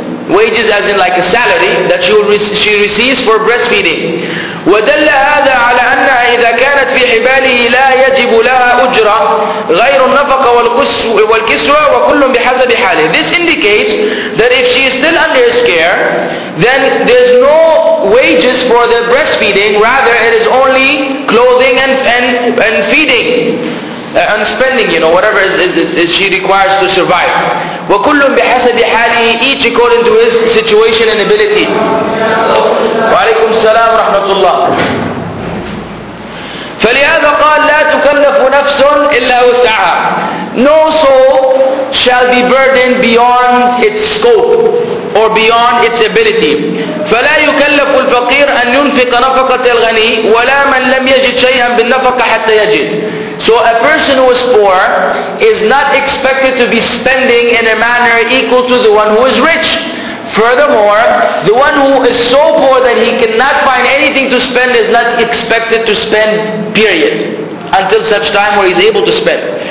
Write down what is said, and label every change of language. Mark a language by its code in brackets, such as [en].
[en] Wages as in like a salary that she receives for breastfeeding. [ar] ودل هذا على أنها إذا كانت في حباله لا يجب لها أجرة غير النفقة والكسوة وكل بحسب حاله. [en] This indicates that if she is still under his care, then there's no wages for the breastfeeding. Rather, it is only clothing and feeding and spending, you know, whatever is she requires to survive. [ar] وكل بحسب حاله, [en] each according to his situation and ability. [ar] وعليكم السلام ورحمة الله. فلهذا قال لا تكلف نفس إلا وسعها. [en] No soul shall be burdened beyond its scope or beyond its ability. [ar] فلا يكلف الفقير أن ينفق نفقة الغني ولا من لم يجد شيئا بالنفقة حتى يجد. [en] So a person who is poor is not expected to be spending in a manner equal to the one who is rich. Furthermore, the one who is so poor that he cannot find anything to spend is not expected to spend, period, until such time where he is able to spend.